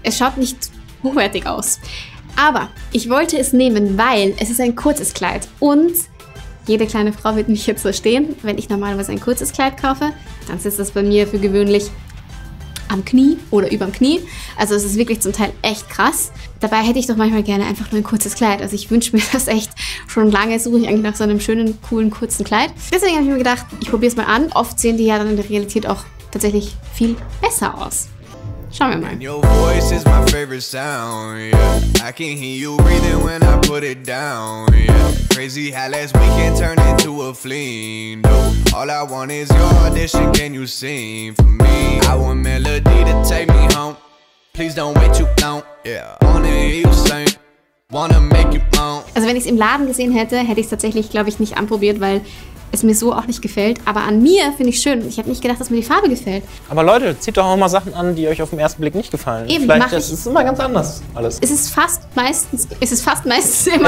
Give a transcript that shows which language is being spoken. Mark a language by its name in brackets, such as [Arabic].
[German] Es schaut nicht hochwertig aus. Aber ich wollte es nehmen, weil es ist ein kurzes Kleid und jede kleine Frau wird mich jetzt verstehen, wenn ich normalerweise ein kurzes Kleid kaufe, dann sitzt das bei mir für gewöhnlich am Knie oder überm Knie. Also es ist wirklich zum Teil echt krass. Dabei hätte ich doch manchmal gerne einfach nur ein kurzes Kleid. Also ich wünsche mir das echt schon lange, suche ich eigentlich nach so einem schönen, coolen, kurzen Kleid. Deswegen habe ich mir gedacht, ich probiere es mal an. Oft sehen die ja dann in der Realität auch tatsächlich viel besser aus. Schauen wir mal. [English] And your voice is my favorite sound, yeah. I can hear you breathing when I put it down, yeah. Crazy how last weekend turned into a fling, though. All I want is your audition, can you sing for me? I want melody to take me home. Please don't wait too long, yeah. Wanna hear you sing, wanna make you moan. [German] Also wenn ich es im Laden gesehen hätte, hätte ich es tatsächlich, glaube ich, nicht anprobiert, weil es mir so auch nicht gefällt, aber an mir finde ich schön. Ich hätte nicht gedacht, dass mir die Farbe gefällt. Aber Leute, zieht doch auch mal Sachen an, die euch auf den ersten Blick nicht gefallen. Eben, vielleicht das ist immer ganz anders alles. Es ist fast meistens immer.